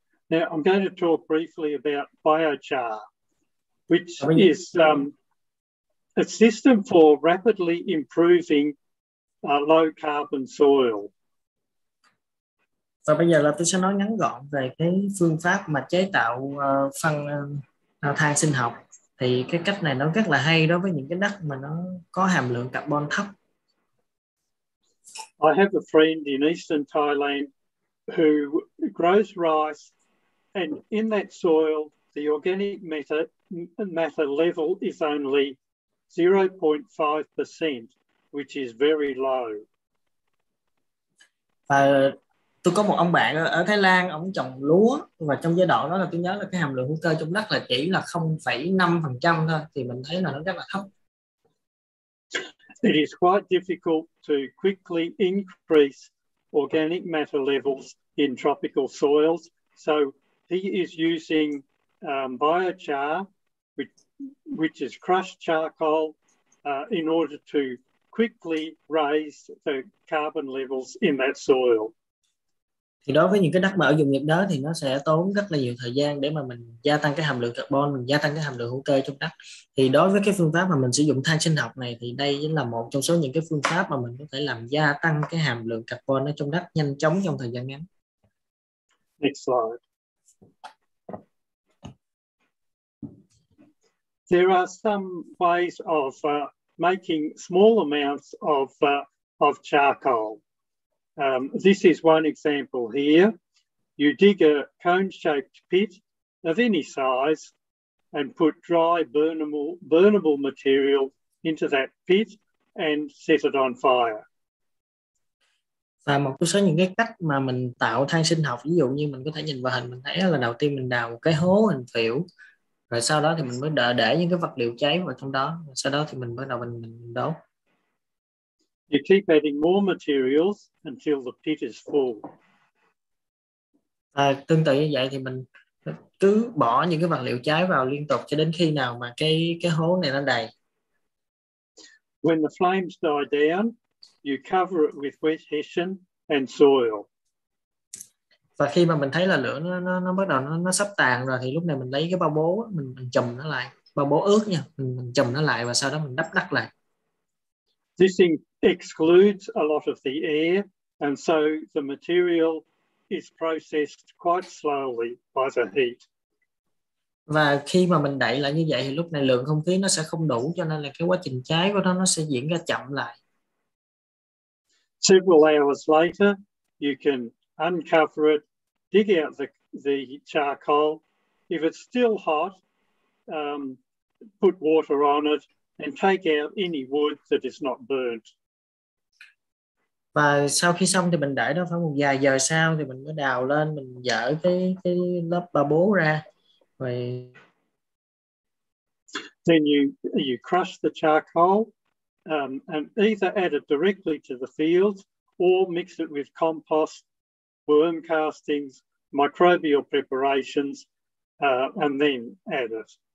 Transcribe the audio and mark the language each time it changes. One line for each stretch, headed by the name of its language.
English: Now, I'm going to talk briefly about biochar, which is a system for rapidly improving low carbon soil.
Vietnamese: Và bây giờ là tôi sẽ nói ngắn gọn về cái phương pháp mà chế tạo phân than sinh học. Thì cái cách này nó rất là hay đối với những cái đất mà nó có hàm lượng carbon thấp.
English: I have a friend in eastern Thailand who grows rice, and in that soil the organic matter level is only 0.5%, which is very low.
Vietnamese: Và tôi có một ông bạn ở Thái Lan, ông trồng lúa, và trong giai đoạn đó là tôi nhớ là cái hàm lượng hữu cơ trong đất là chỉ là 0.5% thôi, thì mình thấy là nó rất là thấp.
English: It is quite difficult to quickly increase organic matter levels in tropical soils. So he is using biochar, which is crushed charcoal, in order to quickly raise the carbon levels in that soil.
Vietnamese: Thì đối với những cái đất mà ở vùng nhiệt đới thì nó sẽ tốn rất là nhiều thời gian để mà mình gia tăng cái hàm lượng carbon, mình gia tăng cái hàm lượng hữu cơ trong đất. Thì đối với cái phương pháp mà mình sử dụng than sinh học này thì đây chính là một trong số những cái phương pháp mà mình có thể làm gia tăng cái hàm lượng carbon ở trong đất nhanh chóng trong thời gian ngắn.
English: Next slide. There are some ways of making small amounts of charcoal. This is one example here. You dig a cone-shaped pit of any size and put dry burnable material into that pit and set it on fire.
Vietnamese: Và một số những cái cách mà mình tạo than sinh học, ví dụ như mình có thể nhìn vào hình, mình thấy là đầu tiên mình đào một cái hố hình phễu, rồi sau đó thì mình mới để những cái vật liệu cháy vào trong đó, rồi sau đó thì mình bắt đầu mình đốt.
English: You keep adding more materials until the pit is full.
Vietnamese: Tương tự như vậy thì mình cứ bỏ những cái vật liệu cháy vào liên tục cho đến khi nào mà cái hố này nó đầy.
English: When the flames die down, you cover it with wet hessian and soil.
Vietnamese: Và khi mà mình thấy là lửa nó bắt đầu nó sắp tàn rồi thì lúc này mình lấy cái bao bố mình chùm nó lại, bao bố ướt nha, mình chùm nó lại và sau đó mình đắp đất lại.
English: This thing excludes a lot of the air, and so the material is processed quite slowly by the heat.
Vietnamese: Và khi mà mình đẩy lại như vậy thì lúc này lượng không khí nó sẽ không đủ, cho nên là cái quá trình cháy của nó sẽ diễn ra chậm lại.
English: Several hours later, you can uncover it, dig out the charcoal. If it's still hot, put water on it and take out any wood that is not burnt.
Vietnamese: Và sau khi xong thì mình để đó khoảng một vài giờ sau thì mình mới đào lên, mình dỡ cái lớp ba bố ra. Rồi
English: then you crush the charcoal and either add it directly to the fields or mix it with compost, worm castings, microbial preparations and then add it.